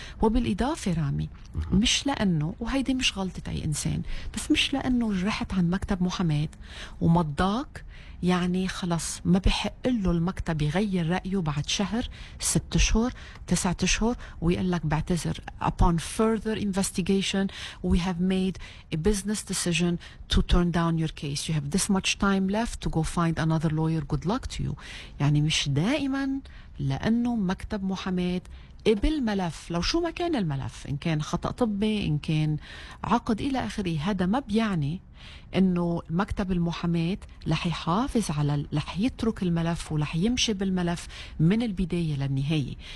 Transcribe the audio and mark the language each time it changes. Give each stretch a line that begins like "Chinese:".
Arabic: وبالإضافة رامي مش لأنه، وهيدي مش غلطة أي إنسان، بس مش لأنه رحت عن مكتب محاماة ومضاك يعني خلص ما بحق له المكتب يغير رأيه بعد شهر 6 أشهر 9 أشهر ويقول لك بعتذر.
English: Upon further investigation we have made a business decision to turn down your case. You have this much time left to go find another lawyer. Good luck to you.
Arabic: يعني مش دائما لأنه مكتب محاماة قبل ملف، لو شو ما كان الملف، إن كان خطأ طبي إن كان عقد إلى آخره، هذا ما بيعني إنه مكتب المحاماة لح يحافظ على لح يترك الملف ولح يمشي بالملف من البداية للنهاية.